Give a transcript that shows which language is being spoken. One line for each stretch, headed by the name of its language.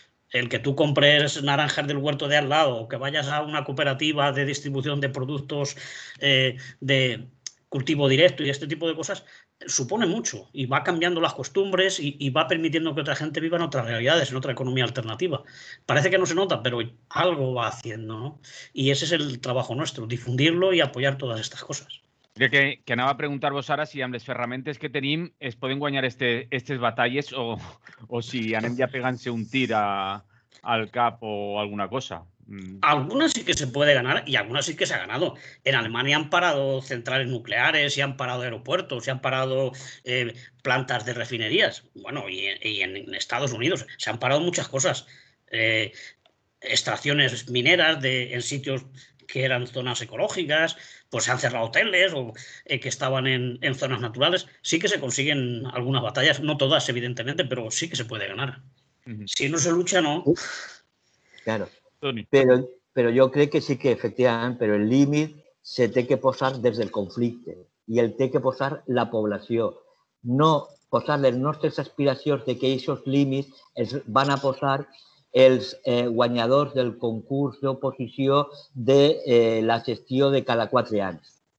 Spanish: el que tú compres naranjas del huerto de al lado o que vayas a una cooperativa de distribución de productos de cultivo directo y este tipo de cosas, supone mucho y va cambiando las costumbres y va permitiendo que otra gente viva en otras realidades, en otra economía alternativa. Parece que no se nota, pero algo va haciendo, ¿no? Y ese es el trabajo nuestro, difundirlo y apoyar todas estas cosas.
Catalan: Yo que anava a preguntar-vos ara si amb les ferramentes que tenim es poden guanyar aquestes batalles o si anem ja pegant-se un tir al cap o alguna cosa.
Spanish: Algunas sí que se puede ganar y algunas sí que se ha ganado. En Alemania han parado centrales nucleares, se han parado aeropuertos, se han parado plantas de refinerías. Bueno, y en Estados Unidos se han parado muchas cosas. Extracciones mineras en sitios que eran zonas ecológicas, pues se han cerrado hoteles o que estaban en zonas naturales. Sí que se consiguen algunas batallas, no todas evidentemente, pero sí que se puede ganar. Si no se lucha, no. Claro.
Catalan: Però jo crec que sí que efectivament, però el límit se té que posar des del conflicte i el té que posar la població. No posar les nostres aspiracions de que aquests límits els van a posar els guanyadors del concurs d'oposició de la gestió de cada 4 anys.